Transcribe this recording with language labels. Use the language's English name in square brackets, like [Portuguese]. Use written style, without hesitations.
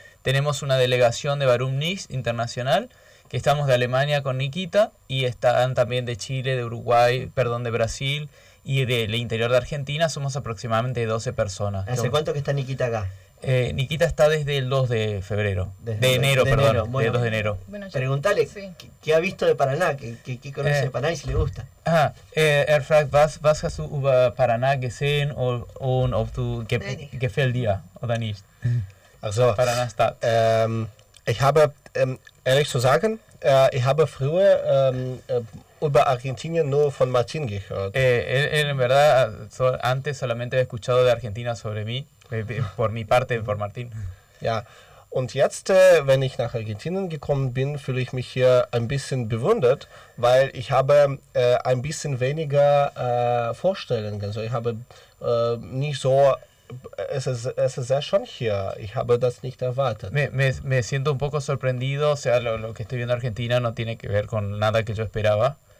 [Spanish] Tenemos una delegación de Barum Nix Internacional, que estamos de Alemania con Nikita, y están también de Chile, de Uruguay, perdón, de Brasil y del interior de Argentina. Somos aproximadamente 12 personas. ¿Hace cuánto que está Nikita acá? Nikita está desde el 2 de febrero, desde de enero, de perdón, enero. Bueno, de 2 de enero. Bueno, pregúntale, sí. ¿Qué ha visto de Paraná? ¿Qué conoce de Paraná y si le gusta? [German] Er fragt, was hast du über Paraná gesehen und ob du gefällt dir oder nicht? [Spanish] Also, Paraná está. [German] Ich habe, ehrlich zu sagen, ich habe früher über Argentinien nur von Martin gehört. [Spanish] En verdad, antes solamente había escuchado de Argentina sobre mí, por mi parte, por Martín. [German] Ja, und jetzt, wenn ich nach Argentinien gekommen bin, fühle ich mich hier ein bisschen bewundert, weil ich habe ein bisschen weniger Vorstellungen. Also ich habe nicht so... Es es ya schon hier. Ich habe das nicht erwartet. [Spanish] Me siento un poco sorprendido, o sea, lo que estoy viendo en Argentina no tiene que ver con nada que yo esperaba.